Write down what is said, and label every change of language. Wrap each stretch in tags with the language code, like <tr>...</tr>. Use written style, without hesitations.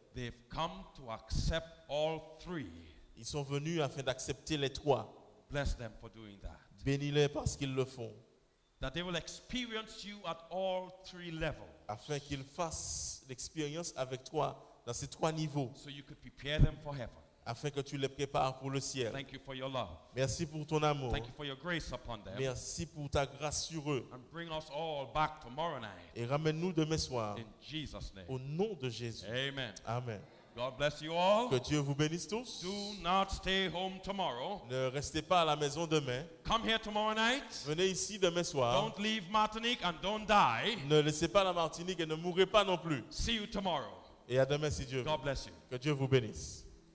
<en>They've come to accept all three.</en> <fr>Ils sont venus afin d'accepter les trois.</fr> <en>Bless them for doing that.</en> <fr>Bénis-les parce qu'ils le font.</fr> <en>That they will experience you at all three levels.</en> <fr>Afin qu'ils fassent l'expérience avec toi dans ces trois niveaux.</fr> <en>So you could prepare them for heaven.</en> <fr>Afin que tu les prépares pour le ciel.</fr> <en>Thank you for your love.</en> <fr>Merci pour ton amour.</fr> <en>Thank you for your grace upon them.</en> <fr>Merci pour ta grâce sur eux.</fr> <en>And bring us all back tomorrow night.</en> <fr>Et ramène-nous demain soir.</fr> <en>In Jesus name.</en> <fr>Au nom de Jésus.</fr> <en>Amen.</en> <fr>Amen.</fr> <en>God bless you all.</en> <fr>Que Dieu vous bénisse tous.</fr> <en>Do not stay home tomorrow.</en> <fr>Ne restez pas à la maison demain.</fr> <en>Come here tomorrow night.</en> <fr>Venez ici demain soir.</fr> <en>Don't leave Martinique and don't die.</en> <fr>Ne laissez pas la Martinique et ne mourrez pas non plus.</fr> <en>See you tomorrow.</en> <fr>Et à demain si Dieu veut.</fr> <en>God bless you.</en> <fr>Que Dieu vous bénisse.</fr>